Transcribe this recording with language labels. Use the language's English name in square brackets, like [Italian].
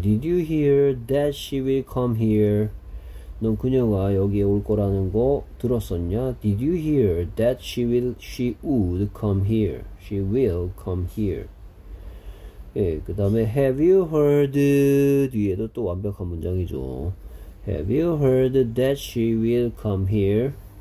[English] Did you hear that she will come here? [Korean] 넌 그녀가 여기에 올 거라는 거 들었었냐? [English] Did you hear that she would come here? She will come here. [Korean] 예, 그 다음에 [English] have you heard [Korean] 뒤에도 또 완벽한 문장이죠. [English] Have you heard that she will come here?